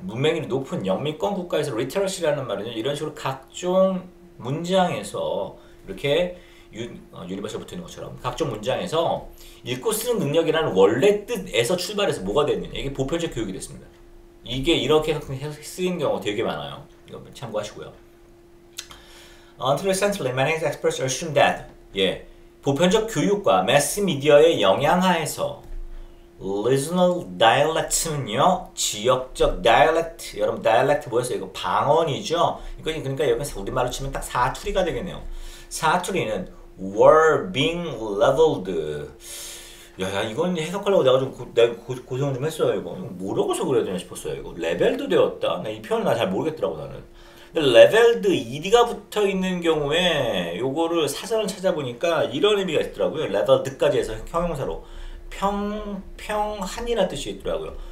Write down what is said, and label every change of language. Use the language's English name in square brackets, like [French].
[Korean] 문맹률이 높은 영미권 국가에서 literacy라는 말은 이런 식으로 각종 문장에서 이렇게 유니버셜 붙어 있는 것처럼 각종 문장에서 읽고 쓰는 능력이라는 원래 뜻에서 출발해서 뭐가 됐느냐. 이게 보편적 교육이 됐습니다. 이게 이렇게 쓰인 경우 되게 많아요. 이거 참고하시고요. [English] Until recently, many experts assume that. [Korean] 예. 보편적 교육과 매스 미디어의 영향하에서 [English] regional dialect [Korean] 는요, 지역적 dialect. 여러분, dialect 뭐였어요? 이거 방언이죠? 이거니 그러니까 여기서 우리말로 치면 딱 사투리가 되겠네요. 사투리는 [English] were being leveled. [Korean] 야, 이건 해석하려고 내가 좀 고생 좀 했어요, 이거. 뭐라고 해서 그래야 되나 싶었어요, 이거. 레벨드 되었다? 이 표현을 나잘 모르겠더라고, 나는. 레벨드 ED가 붙어 있는 경우에 요거를 사전을 찾아보니까 이런 의미가 있더라고요. 레벨드까지 해서 형용사로. 평평한이라는 뜻이 있더라고요.